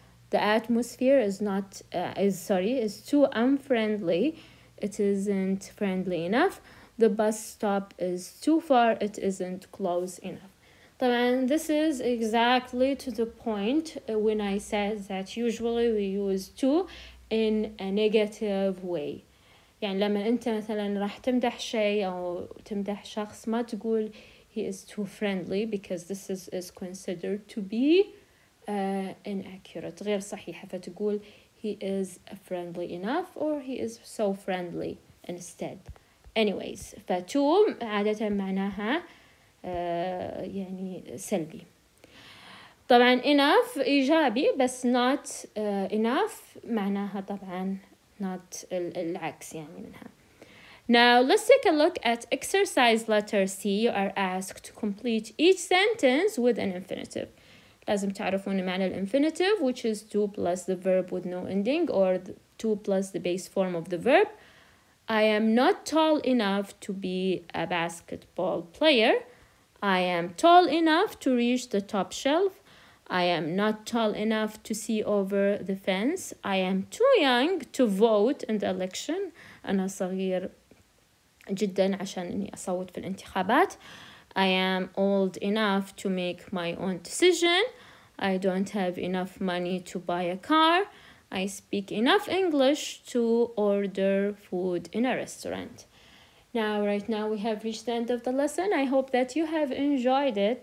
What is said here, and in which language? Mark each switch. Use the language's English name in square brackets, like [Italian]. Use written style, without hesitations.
[English] The atmosphere is too unfriendly. It isn't friendly enough. The bus stop is too far. It isn't close enough. [Arabic] طبعاً [English] this is exactly to the point when I said that usually we use too in a negative way. [Arabic] يعني لما أنت مثلاً راح تمدح شيء أو تمدح شخص ما تقول [English] he is too friendly because this is considered to be inaccurate. [Arabic] غير صحيح فتقول [English] he is friendly enough or he is so friendly instead. Anyways, [Arabic] فتو عادة معناها يعني سلبي. طبعا enough إيجابي بس [English] not enough [Arabic] معناها طبعا not العكس يعني منها. [English] Now let's take a look at exercise letter C. You are asked to complete each sentence with an infinitive. [Arabic] لازم تعرفون معنى الانفينيتيف, [English] which is 2 plus the verb with no ending or 2 plus the base form of the verb. I am not tall enough to be a basketball player. I am tall enough to reach the top shelf. I am not tall enough to see over the fence. I am too young to vote in the election. [Arabic] أنا صغير جدا عشان إني أصوت في الانتخابات. [English] I am old enough to make my own decision. I don't have enough money to buy a car. I speak enough English to order food in a restaurant. Now, right now, we have reached the end of the lesson. I hope that you have enjoyed it.